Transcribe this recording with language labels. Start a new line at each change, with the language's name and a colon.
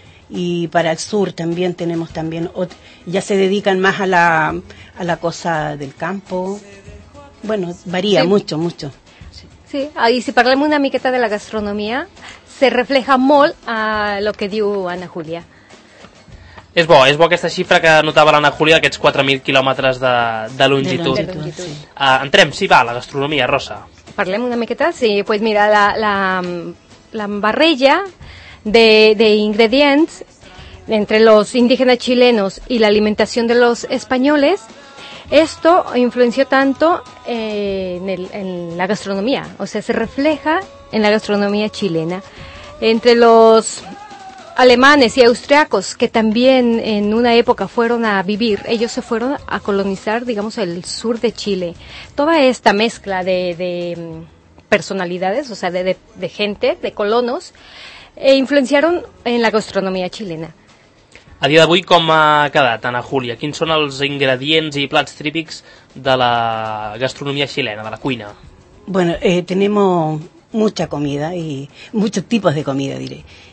Spanish: Y para el sur también tenemos también, ya se dedican más a la cosa del campo. Bueno, varía sí. Mucho, mucho. Sí, y si parlamos
Catalan: una miqueta
Spanish: de la gastronomía, se refleja molt a lo que dio Ana Júlia.
Catalan: És bo aquesta xifra que notava l'Anna Júlia, aquests 4.000 quilòmetres de longitud. Entrem, sí, va, la gastronomia, Rosa. Parlem una miqueta?
Spanish: Sí, pues mira,
Catalan: la barreja de ingredients
Spanish: entre los indígenas chilenos y la alimentación de los españoles, esto influenció tanto en la gastronomía, o sea, se refleja en la gastronomía chilena. Entre los alemanes y austriacos, que también en una época fueron a vivir, ellos se fueron a colonizar, digamos, el sur de Chile. Toda esta mezcla de personalidades, o sea, de gente, de colonos, influenciaron en la gastronomía chilena.
Catalan: A dia d'avui, com ha quedat, Anna Júlia? Quins són els ingredients i plats típics de la gastronomia xilena, de la cuina?
Spanish: Bueno, tenemos mucha comida y muchos tipos de comida, diré.